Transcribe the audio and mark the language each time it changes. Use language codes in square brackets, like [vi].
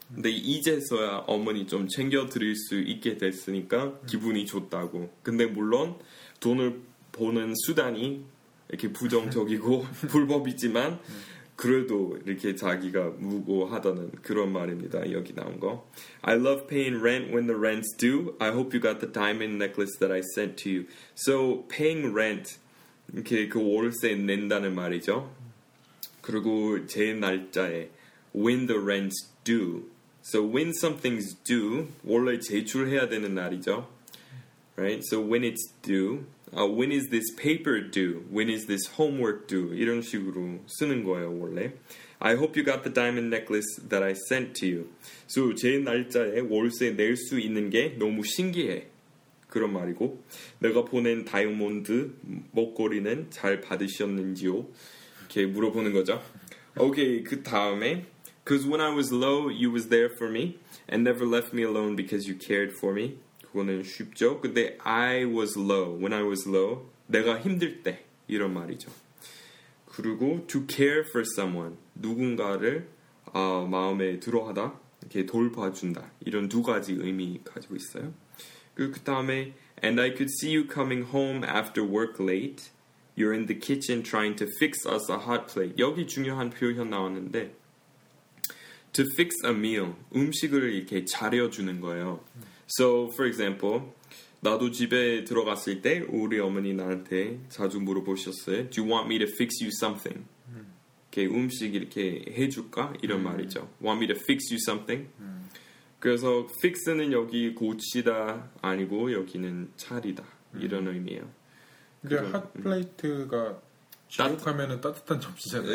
[ko] 근데 이제서야 어머니 좀 챙겨드릴 수 있게 됐으니까 기분이 좋다고. 근데 물론 돈을 버는 수단이 이렇게 부정적이고 불법이지만 그래도 이렇게 자기가 무고하다는 그런 말입니다. 여기 나온 거. [en] I love paying rent when the rent's due. I hope you got the diamond necklace that I sent to you. So paying rent, [ko] 이렇게 그 월세 낸다는 말이죠. 그리고 제 날짜에 when the rent's due. [en] So when something's due, [ko] 원래 제출해야 되는 날이죠. Right? [en] So when it's due. When is this paper due? When is this homework due? [ko] 이런 식으로 쓰는 거예요, 원래. [en] I hope you got the diamond necklace that I sent to you. [ko] So 제 날짜에 월세 낼 수 있는 게 너무 신기해. 그런 말이고. 내가 보낸 다이아몬드 목걸이는 잘 받으셨는지요? 이렇게 물어보는 거죠. 오케이, 그 다음에. [en] Because when I was low, you was there for me and never left me alone because you cared for me. [ko] 그거는 쉽죠. 근데 [en] I was low, when I was low, [ko] 내가 힘들 때 이런 말이죠. 그리고 [en] to care for someone, [ko] 누군가를 마음에 들어하다, 이렇게 돌봐준다 이런 두 가지 의미 가지고 있어요. 그리고 그 다음에 [en] and I could see you coming home after work late. You're in the kitchen trying to fix us a hot plate. [ko] 여기 중요한 표현 나왔는데 [en] to fix a meal, [ko] 음식을 이렇게 차려주는 거예요. [en] So, for example, [ko] 나도 집에 들어갔을 때 우리 어머니 나한테 자주 물어보셨어요. [en] Do you want me to fix you something? [ko] 이렇게 음식 이렇게 해줄까? 이런 말이죠. [en] Want me to fix you something? [ko] 그래서 fix는 여기 고치다 아니고 여기는 차리다. 이런 의미예요. 근데 핫플레이트가 중국하면 따뜻한 접시잖아요.